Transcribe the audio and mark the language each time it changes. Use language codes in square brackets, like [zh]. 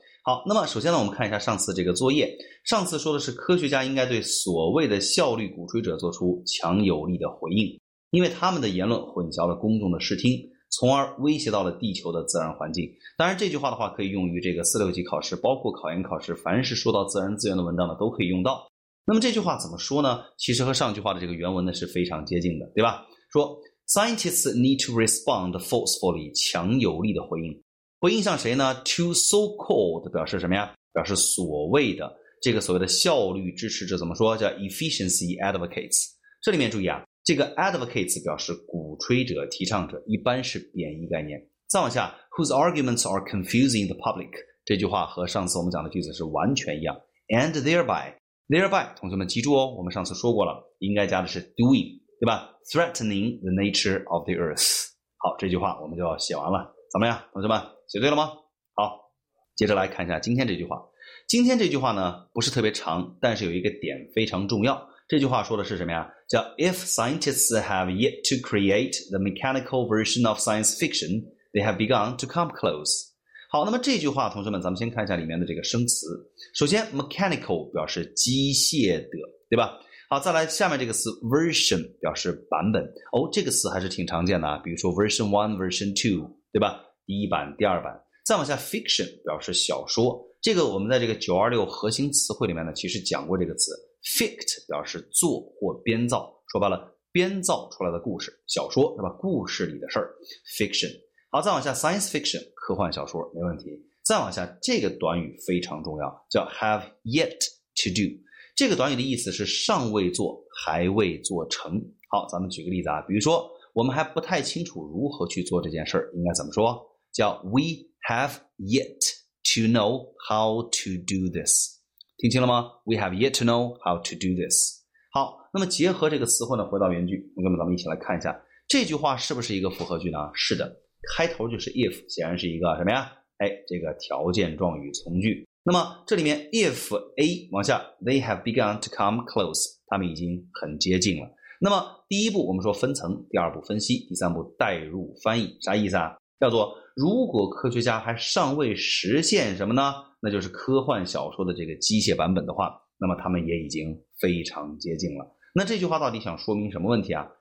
[zh] 好，那么首先呢，我们看一下上次这个作业。上次说的是科学家应该对所谓的效率鼓吹者做出强有力的回应，因为他们的言论混淆了公众的视听，从而威胁到了地球的自然环境。当然，这句话的话可以用于这个四六级考试，包括考研考试，凡是说到自然资源的文章呢，都可以用到。那么这句话怎么说呢？其实和上句话的这个原文呢是非常接近的，对吧？ [en] 说 Scientists need to respond forcefully， [zh] 强有力的回应。回应向谁呢？ [en] To so-called [zh] 表示什么呀？表示所谓的，这个所谓的效率支持者怎么说？ [en] 叫 efficiency advocates。 [zh] 这里面注意啊，这个 advocates 表示鼓吹者、提倡者，一般是贬义概念。再往下， [en] Whose arguments are confusing the public， [zh] 这句话和上次我们讲的句子是完全一样。 [en] And thereby， [zh] 同学们记住哦，我们上次说过了，应该加的是 doing， 对吧？ [en] Threatening the nature of the earth。 [zh] 好，这句话我们就要写完了，怎么样，同学们写对了吗？好，接着来看一下今天这句话。今天这句话呢不是特别长，但是有一个点非常重要。这句话说的是什么呀？ [en] 叫 If scientists have yet to create the mechanical version of science fiction, they have begun to come close。 [zh] 好，那么这句话同学们咱们先看一下里面的这个生词。首先 mechanical 表示机械的，对吧？好，再来下面这个词 version 表示版本。哦，这个词还是挺常见的啊，比如说 version 1 version 2， 对吧？第一版第二版。再往下 fiction 表示小说。这个我们在这个926核心词汇里面呢其实讲过这个词。 fict 表示做或编造。说白了，编造出来的故事，小说，是吧？故事里的事儿。fiction。好，再往下 science fiction， 科幻小说，没问题。再往下这个短语非常重要，叫 have yet to do。这个短语的意思是尚未做，还未做成。好，咱们举个例子啊，比如说我们还不太清楚如何去做这件事儿，应该怎么说？ [en] 叫 we have yet to know how to do this。 [zh] 听清了吗？ [en] We have yet to know how to do this。 [zh] 好，那么结合这个词汇呢，回到原句，那么咱们一起来看一下，这句话是不是一个复合句呢？是的，开头就是 if， 显然是一个什么呀？哎，这个条件状语从句。那么这里面 if A 往下 ， [en] they have begun to come close， [zh] 他们已经很接近了。那么第一步我们说分层，第二步分析，第三步代入翻译，啥意思啊？叫做如果科学家还尚未实现什么呢？那就是科幻小说的这个机械版本的话，那么他们也已经非常接近了。那这句话到底想说明什么问题啊？